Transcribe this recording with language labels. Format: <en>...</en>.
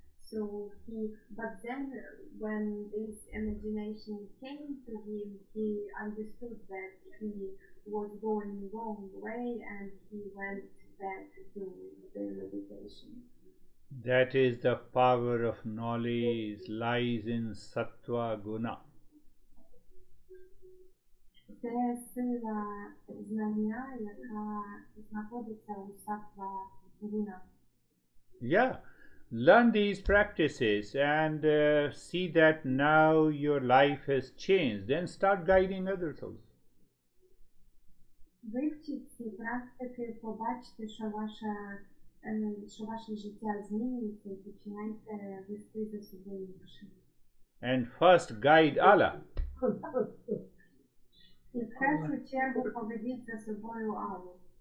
<en>So he, but then when this imagination came to him, he understood that he was going the wrong way and he went back to the meditation. That is the power of knowledge, lies in sattva guna.</en> <uk>Це сила знання, яка знаходиться у сатва гуна.</uk> <en>Yeah, learn these practices and see that now your life has changed. Then start guiding others also.</en> <uk>Вивчіть ці практики, побачте, що ваше життя зміниться, починайте вести за собою інше.</uk> <en>And first guide Allah.</en> <uk>І в першу чергу поведіть за собою Аллу.</uk>